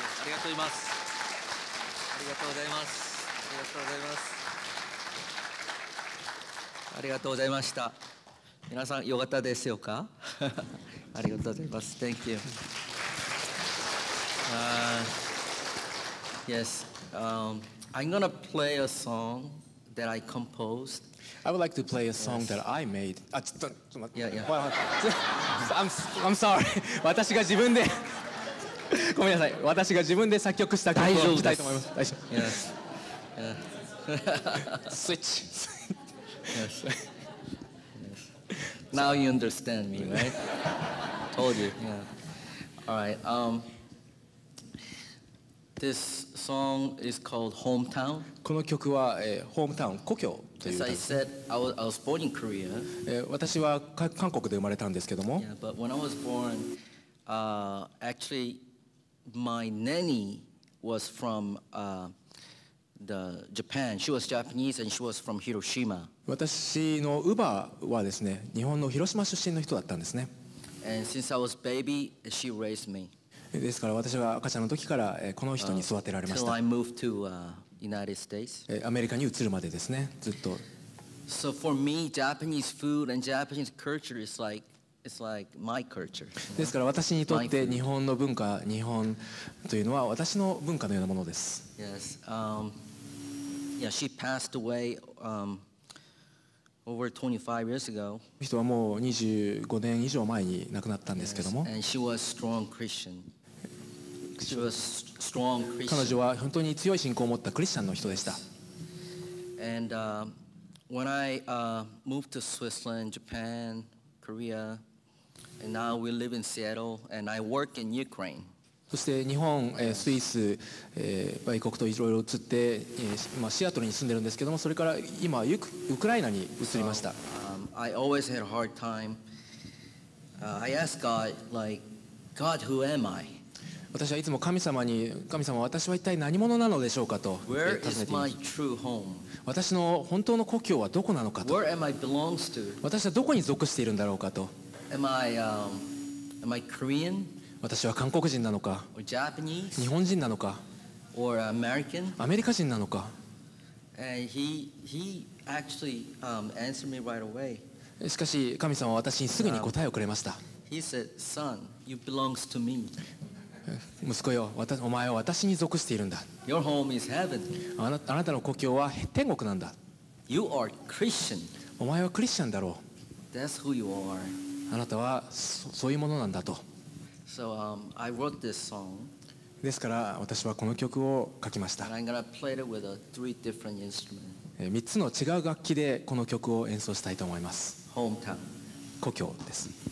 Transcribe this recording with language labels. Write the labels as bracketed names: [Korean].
[Japanese] がとうございます。ありがとうございます。ありがとうございました。皆さん、よかったですよか？ありがとうございます。 [English] Thank you. Yes. I'm gonna play a song that I composed. I would like to play a song that I made. I'm sorry. [Japanese] 私が自分で ごめんなさい。私が自分で作曲した曲を歌いたいと思います。大丈夫。 [English] Yes. Switch. Yes. Now you understand me, right? Told you. Yeah. All right. This song is called Hometown. [Japanese] この曲は、Hometown 故郷という歌です。 [English] As I said, I was born in Korea. [Japanese] 私は韓国で生まれたんですけども。 [English] Yeah, but when I was born, actually, my nanny was from the Japan. She was Japanese and she was from Hiroshima. [Japanese] 私の乳母はですね、日本の広島出身の人だったんですね。 [English] And since I was baby, she raised me. [Japanese] ですから私は赤ちゃんの時からこの人に育てられました。 [English] Till I moved to United States. [Japanese] アメリカに移るまでですね、ずっと。 [English] So for me, Japanese food and Japanese culture is like it's like my culture. [Japanese] ですから私にとって日本の文化、日本というのは私の文化のようなものです。 [English] Yes. Yeah, she passed away over 25 years ago. [Japanese] 人はもう25年以上前に亡くなったんですけども。 [English] And she was strong Christian. She was strong Christian. [Japanese] 彼女は本当に強い信仰を持ったクリスチャンの人でした。 [English] And, when I, moved to Switzerland, Japan, Korea, and now we live in Seattle, and I work in Ukraine. [Japanese] そして日本、スイス、米国といろいろ移って、今シアトルに住んでるんですけども、それから今ウクライナに移りました。 [English] So, I always had a hard time. I asked God, like, God, who am I? [Japanese] 私はいつも神様に、神様、私は一体何者なのでしょうかと尋ねています。 [English] Where is my true home? [Japanese] 私の本当の故郷はどこなのかと。 [English] Where am I belongs to? [Japanese] 私はどこに属しているんだろうかと。 [English] Am I Korean? [Japanese] 私は韓国人なのか。 [English] Or Japanese? [Japanese] 日本人なのか。 [English] Or American? [Japanese] アメリカ人なのか。 [English] And he actually, answered me right away. [Japanese] しかし神様は私にすぐに答えをくれました。 [English] He said, Son, you belongs to me. [Japanese] 息子よ、お前は私に属しているんだ。 [English] Your home is heaven. [Japanese] あなたの故郷は天国なんだ。 [English] You are Christian. [Japanese] お前はクリスチャンだろう。 [English] That's who you are. [Japanese] あなたはそういうものなんだと。 [English] So, I wrote this song. [Japanese] ですから私はこの曲を書きました。 [English] And I'm gonna play it with three different instruments. [Japanese] 3つの違う楽器でこの曲を演奏したいと思います。 [English] Hometown. [Japanese] 故郷です。